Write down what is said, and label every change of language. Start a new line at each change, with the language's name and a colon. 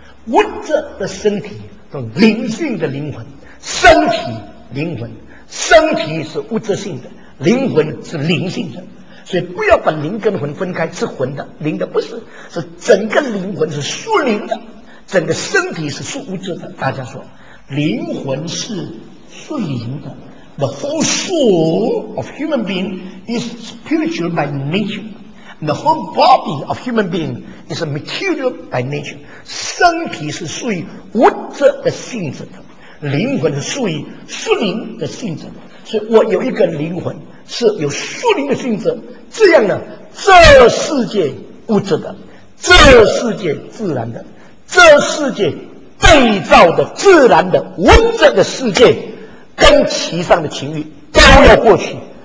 Chinese: 物质的身体和灵性的灵魂，身体灵魂，身体是物质性的，灵魂是灵性的。所以不要把灵跟魂分开，是魂的，灵的不是，是整个灵魂是属灵的，整个身体是属物质的。大家说灵魂是属灵的，
English: The whole soul of human being is spiritual by nature, The whole body of human being is material by nature.
Chinese: 身体是属于物质的性质的，灵魂是属于属灵的性质的。所以我有一个灵魂，是有属灵的性质，这样呢，这世界物质的，这世界自然的，这世界被造的自然的文字的世界，跟其上的情欲都要过去。